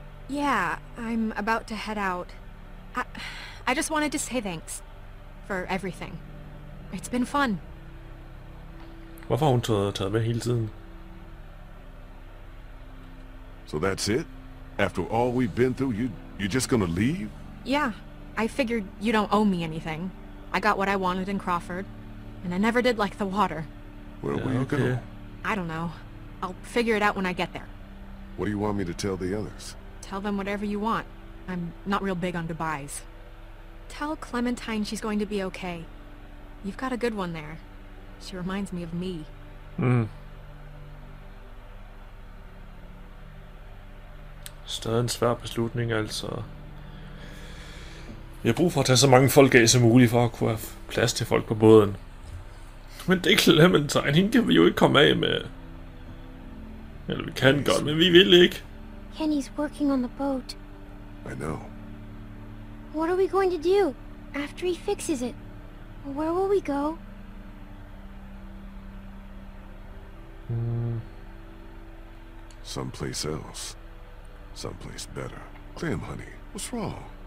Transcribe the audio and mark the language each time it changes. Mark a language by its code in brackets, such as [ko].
[en] Yeah, I'm about to head out. I just wanted to say thanks for everything. It's been fun. [da] Hvorfor har hun taget med hele tiden? [en] So that's it? After all we've been through, you're just gonna leave? Yeah, I figured you don't owe me anything. I got what I wanted in Crawford, and I never did like the water. Where were you going? I don't know. I'll figure it out when I get there. What do you want me to tell the others? Tell them whatever you want. I'm not real big on goodbyes. Tell Clementine she's going to be okay. You've got a good one there. She reminds me of me. Hmm. [da] Stadig en svær beslutning, altså. Vi har brug for at tage så mange folk af som muligt for at kunne have plads til folk på båden. Men det er Clementine, hende kan vi jo ikke komme af med. Eller vi kan godt, men vi vil ikke. [en] Kenny's working on the boat. I know. What are we going to do after he fixes it? Where will we go? Someplace else. Someplace better. Clem, honey, what's wrong?